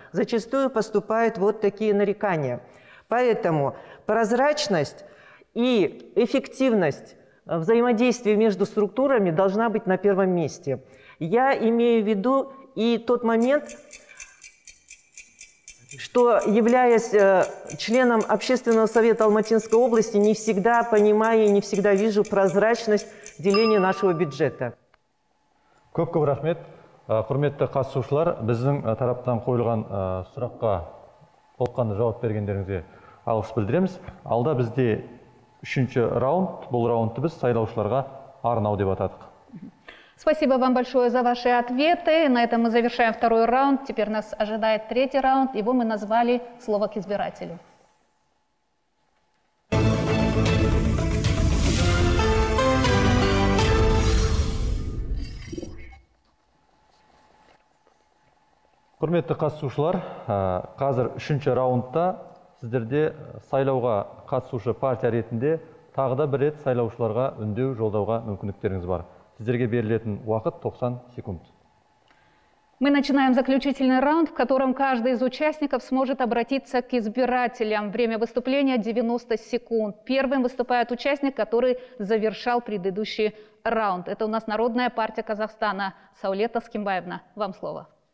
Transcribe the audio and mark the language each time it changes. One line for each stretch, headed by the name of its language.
Russian: Зачастую поступают вот такие нарекания. Поэтому прозрачность и эффективность взаимодействия между структурами должна быть на первом месте. Я имею в виду и тот момент, что, являясь членом Общественного совета Алматинской области, не всегда понимаю и не всегда вижу прозрачность деления нашего бюджета.
Kazakh: Көп-көп рахмет. Құрметті қатысушылар, біздің тараптан қойылған сұраққа толыққанды жауап бергендеріңізге алғыс білдіреміз. Алда бізде үшінші раунд. Бұл раундты біз сайлаушыларға арнау деп атадық.
Russian: Спасибо вам большое за ваши ответы. На этом мы завершаем второй раунд. Теперь нас ожидает третий раунд. Его мы назвали «Слово к избирателю».
Kazakh: Құрметті қатысушылар, қазір үшінші раундта сіздерде сайлауға қатысушы партия ретінде тағы да бір рет сайлаушыларға үндеу жолдауға мүмкіндіктеріңіз бар. Сіздерге берілетін уақыт 90 секунд.
Russian: Мы начинаем заключительный раунд, в котором каждый из участников сможет обратиться к избирателям. Время выступления 90 секунд. Первым выступает участник, который завершал предыдущий раунд. Это у нас Народная партия Казахстана. Саулет Аскембаевна, вам слово.